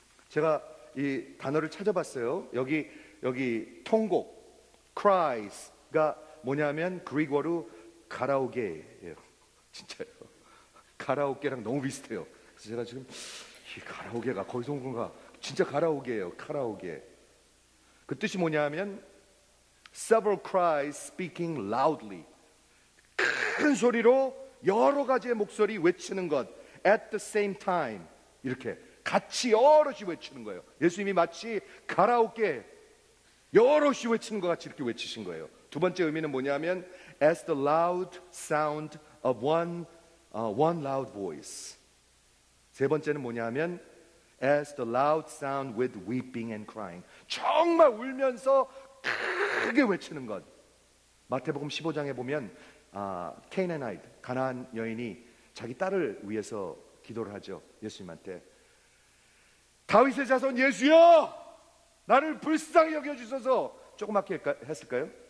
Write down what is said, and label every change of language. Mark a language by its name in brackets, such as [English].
[Korean] 제가 이 단어를 찾아봤어요. 여기 통곡, [English] cries [Korean] 가 뭐냐면 그리고르 가라오게예요. 진짜요. 가라오게랑 너무 비슷해요. 그래서 제가 지금 이 가라오게가 거기서 온 건가? 진짜 가라오게예요. 가라오게. 그 뜻이 뭐냐면 [English] several cries speaking loudly. [Korean] 큰 소리로 여러 가지의 목소리 외치는 것. [English] At the same time. [Korean] 이렇게 같이 여럿이 외치는 거예요. 예수님이 마치 가라오게 여럿이 외치는 것 같이 이렇게 외치신 거예요. 두 번째 의미는 뭐냐면 [English] as the loud sound of one loud voice. [Korean] 세 번째는 뭐냐면 [English] as the loud sound with weeping and crying. [Korean] 정말 울면서 크게 외치는 것. 마태복음 15장에 보면 Canaanite, 가나안 여인이 자기 딸을 위해서 기도를 하죠. 예수님한테 다윗의 자손 예수여 나를 불쌍히 여겨주셔서 조그맣게 했을까요?